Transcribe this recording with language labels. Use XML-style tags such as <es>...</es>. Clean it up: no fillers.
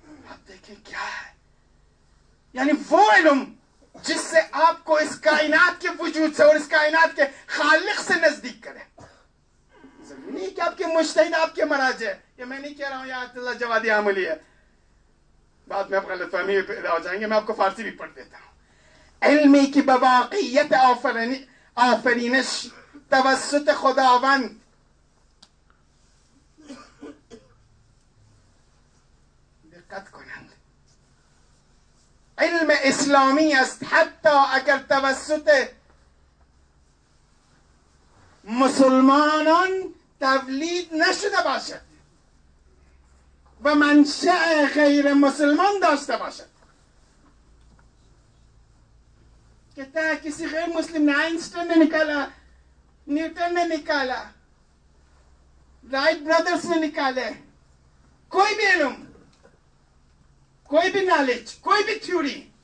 <ur>آپ دیکھیں کیا ہے, یعنی وہ علم جس سے آپ کو اس کائنات کے وجود سے اور اس کائنات کے خالق سے نزدیک کرے. ضروری کہ آپ کے مجتہد آپ کے مراجع, یہ میں نہیں کہہ رہا ہوں یہ آیت اللہ جوادی عملی ہے, بعد میں آپ غلط فہمی پیدا ہو جائیں گے, میں آپ کو فارسی بھی پڑھ دیتا ہوں.</ur> <fa>علمی کی بواقعیت آفرینش توسط خداوند, دقت کنند, علم اسلامی است حتی اگر توسط مسلمانان تولید نشده باشد و منشأ غیر مسلمان داشته باشد.</fa> <ur>کہتا ہے کسی غیر مسلم نے آئنسٹین نے نکالا, نیوٹن نے نکالا, رائٹ برادرز نے نکالے, کوئی بھی علم, کوئی بھی نالج, کوئی بھی تھیوری.</ur>